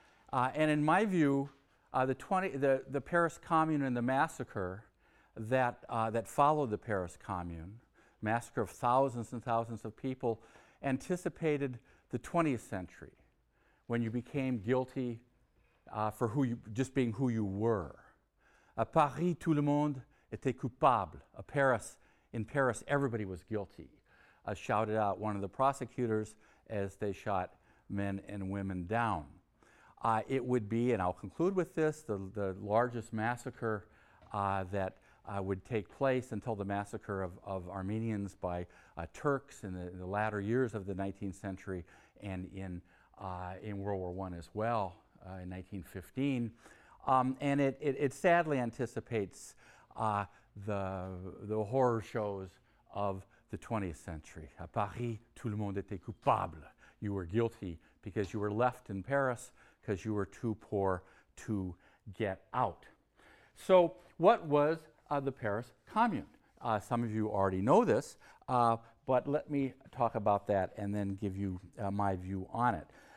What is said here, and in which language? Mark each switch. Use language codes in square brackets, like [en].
[en] And in my view, the Paris Commune and the massacre that followed the Paris Commune, massacre of thousands and thousands of people, anticipated the 20th century, when you became guilty for who you, just being who you were. [fr] A Paris, tout le monde était coupable. [en] In Paris, everybody was guilty, shouted out one of the prosecutors as they shot men and women down. It would be, and I'll conclude with this, the largest massacre that would take place until the massacre of Armenians by Turks in the latter years of the 19th century and in World War I as well, in 1915. And it sadly anticipates the horror shows of the 20th century. [fr] A Paris, tout le monde était coupable. [en] You were guilty because you were left in Paris because you were too poor to get out. So what was the Paris Commune? Some of you already know this, but let me talk about that and then give you my view on it.